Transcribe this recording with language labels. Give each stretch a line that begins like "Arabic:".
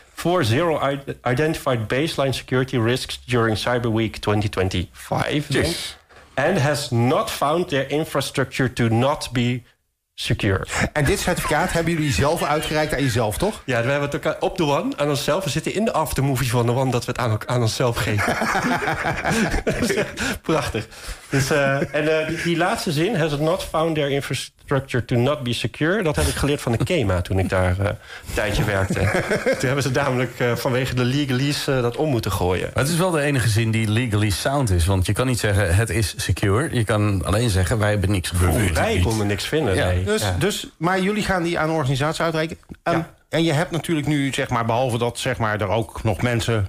English: for zero identified baseline security risks during Cyber Week 2025. Yes. And has not found their infrastructure to not be secure.
Dutch: En dit certificaat hebben jullie zelf uitgereikt aan jezelf, toch? Ja, we hebben het ook op de One aan onszelf. We zitten in de aftermovie van de One dat we het aan onszelf geven. Prachtig. Dus, die laatste zin,
English: has not found their infrastructure to not be secure...
Dutch: dat heb ik geleerd van de KEMA toen ik daar een tijdje werkte. Toen hebben ze namelijk vanwege de legalese dat om moeten gooien. Maar het is wel de enige zin die legally sound is. Want je kan niet zeggen, het is secure. Je kan alleen zeggen, wij hebben niks gevonden. Wij konden niks vinden, ja. Nee. Maar jullie gaan die aan de organisatie uitreiken. En je hebt natuurlijk nu, zeg maar, behalve dat zeg maar, er ook nog mensen...